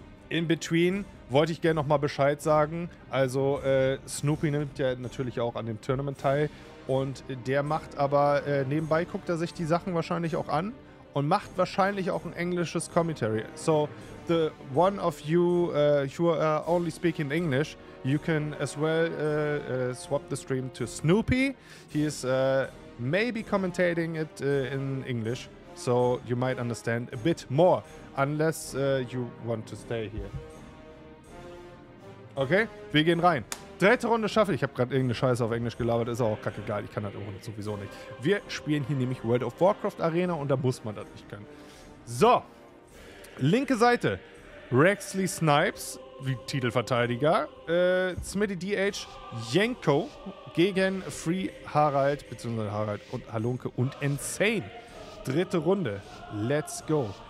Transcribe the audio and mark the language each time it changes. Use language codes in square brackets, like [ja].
[de] In between wollte ich gerne nochmal Bescheid sagen. Also Snoopy nimmt ja natürlich auch an dem Tournament teil. Und der macht aber, nebenbei guckt er sich die Sachen wahrscheinlich auch an und macht wahrscheinlich auch ein englisches Commentary. [en] So, the one of you who are only speaking English, you can as well swap the stream to Snoopy. He is maybe commentating it in English, so you might understand a bit more, unless you want to stay here. [de] Okay, wir gehen rein. Dritte Runde Shuffle. Ich habe gerade irgendeine Scheiße auf Englisch gelabert. Ist auch kackegal. Ich kann das auch sowieso nicht. Wir spielen hier nämlich World of Warcraft Arena und da muss man das nicht können. So. Linke Seite. Rexley Snipes, wie Titelverteidiger. Smitty DH, Jenko gegen Free Harald, beziehungsweise Harald und Halunke und Insane. Dritte Runde. [en] Let's go.